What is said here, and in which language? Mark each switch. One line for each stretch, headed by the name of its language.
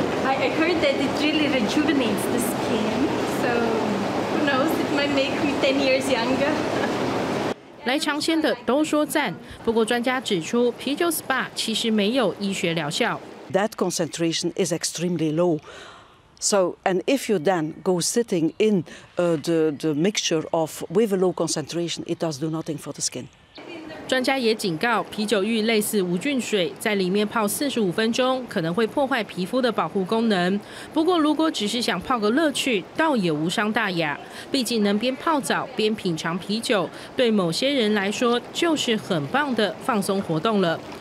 English: I heard that it really rejuvenates the skin. So who knows, it might make me 10 years younger.
Chinese: 来尝鲜的都说赞，不过专家指出，啤酒 SPA 其实没有医学疗效。
English: That concentration is extremely low. So, and if you then go sitting in the mixture of with a low concentration, it does do nothing for the skin.
Chinese: 专家也警告，啤酒浴类似无菌水，在里面泡45分钟，可能会破坏皮肤的保护功能。不过，如果只是想泡个乐趣，倒也无伤大雅。毕竟能边泡澡边品尝啤酒，对某些人来说就是很棒的放松活动了。